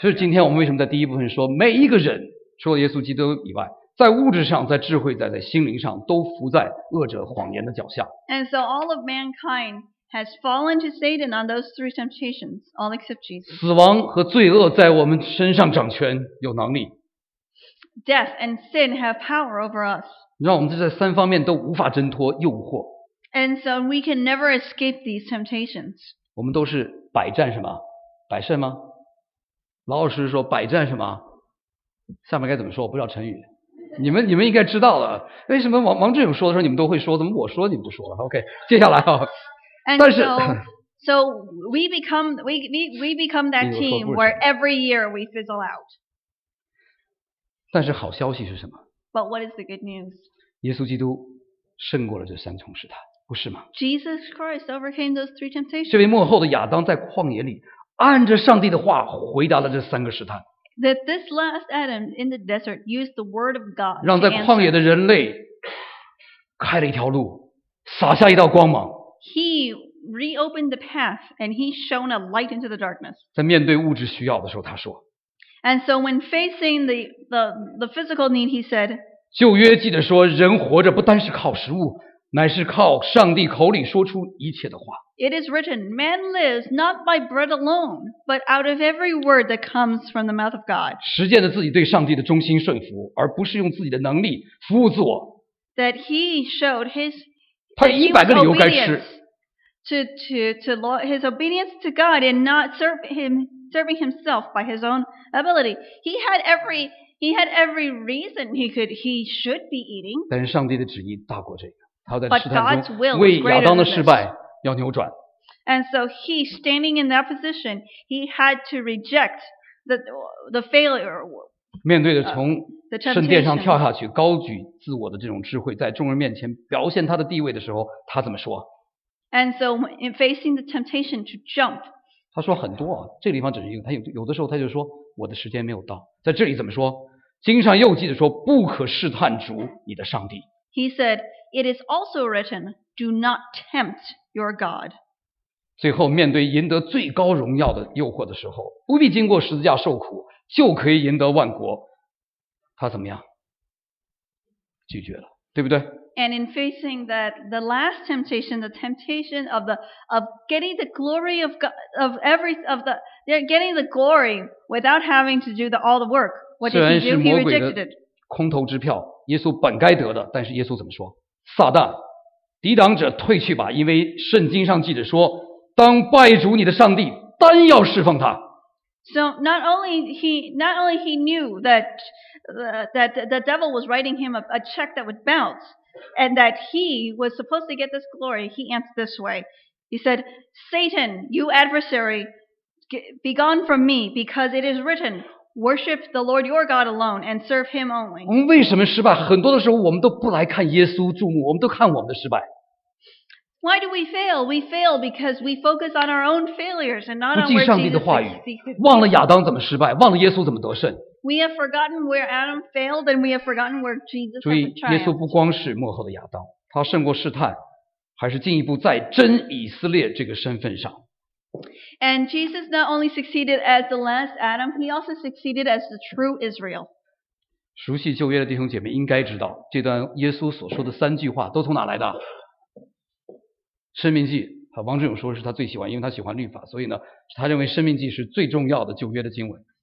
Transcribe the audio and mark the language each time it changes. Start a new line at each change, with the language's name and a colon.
Chinese: 所以今天我们为什么在第一部分说，每一个人除了耶稣基督以外，在物质上，在智慧，在心灵上，都伏在恶者谎言的脚下。
English: And so all of mankind has fallen to Satan on those three temptations, all except Jesus.
Chinese: 死亡和罪恶在我们身上掌权，有能力。
English: Death and sin have power over us.
Chinese: 让我们在三方面都无法挣脱诱惑。
English: And so we can never escape these temptations.
Chinese: 我们都是百战什么？百胜吗？老老实实说，百战什么？下面该怎么说？我不知道成语。你们应该知道了。为什么王志勇说的时候你们都会说？怎么我说你们不说了 ？OK， 接下来啊。
English: And
Chinese: 但是
English: so, So we become that team where every year we fizzle out.
Chinese: 但是好消息是什么？
English: But what is the good news?
Chinese: 耶稣基督胜过了这三重试探，不是吗？
English: Jesus Christ overcame those three temptations.
Chinese: 这位末后的亚当在旷野里按着上帝的话回答了这三个试探。
English: That this last Adam in the desert used the word of God to answer.
Chinese: 让在旷野的人类开了一条路，洒下一道光芒。
English: He reopened the path and he shone a light into the darkness.
Chinese: 在面对物质需要的时候，他说。
English: And so when facing the physical need, he said.
Chinese: 旧约记得说，人活着不单是靠食物，乃是靠上帝口里说出一切的话。
English: It is written, man lives not by bread alone, but out of every word that comes from the mouth of God.
Chinese: 实践了自己对上帝的忠心顺服，而不是用自己的能力服务自我。
English: That he showed his,
Chinese: 他有一百个理由该吃。
English: To his obedience to God and not serving himself by his own ability. He had every reason he should be eating.
Chinese: 但是上帝的旨意大过这个，他在试探中为亚当的失败要扭转。
English: And so he standing in that position, he had to reject the failure.
Chinese: 面对着从圣殿上跳下去，高举自我的这种智慧，在众人面前表现他的地位的时候，他怎么说？
English: And so in facing the temptation to jump.
Chinese: 他说很多，这个地方只是一个，他有的时候他就说我的时间没有到。在这里怎么说？经上又记得说，不可试探主你的上帝。
English: He said, it is also written, do not tempt your God.
Chinese: 最后面对赢得最高荣耀的诱惑的时候，不必经过十字架受苦就可以赢得万国，他怎么样？拒绝了，对不对？
English: And in facing that, the last temptation, the temptation of getting the glory of God, of every, of the, they're getting the glory without having to do the, all the work. What did he do? He rejected it.
Chinese: 虽然是魔鬼的空头支票，耶稣本该得的，但是耶稣怎么说？撒旦，抵挡者退去吧，因为圣经上记着说，当拜主你的上帝，单要侍奉他。
English: So not only he knew that the devil was writing him a check that would bounce, and that he was supposed to get this glory, he answered this way. He said, Satan, you adversary, be gone from me, because it is written, worship the Lord your God alone and serve him only.
Chinese: 我们为什么失败？很多的时候我们都不来看耶稣注目，我们都看我们的失败。
English: Why do we fail? We fail because we focus on our own failures and not on where Jesus is speaking.
Chinese: 忘了亚当怎么失败，忘了耶稣怎么得胜。
English: We have forgotten where Adam failed and we have forgotten where Jesus has triumphed.
Chinese: 注意，耶稣不光是末后的亚当，他胜过试探，还是进一步在真以色列这个身份上。
English: And Jesus not only succeeded as the last Adam, he also succeeded as the true Israel.
Chinese: 熟悉旧约的弟兄姐妹应该知道，这段耶稣所说的三句话都从哪来的？申命记，王志勇说是他最喜欢，因为他喜欢律法，所以呢，他认为申命记是最重要的旧约的经文。